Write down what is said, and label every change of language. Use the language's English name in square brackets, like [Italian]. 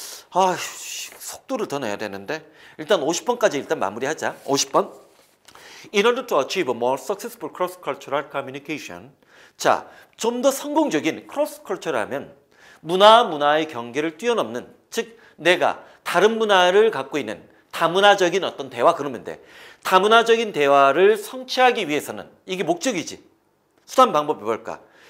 [Korean] 아, 속도를 더 내야 되는데. 일단 50번까지 일단 마무리하자. 50번. [English] In order to achieve a more successful cross-cultural communication. [Korean] 자, 좀 더 성공적인 cross-cultural 하면 문화와 문화의 경계를 뛰어넘는, 즉 내가 다른 문화를 갖고 있는 다문화적인 어떤 대화, 그러면 돼. 다문화적인 대화를 성취하기 위해서는 이게 목적이지. 수단 방법이 뭘까?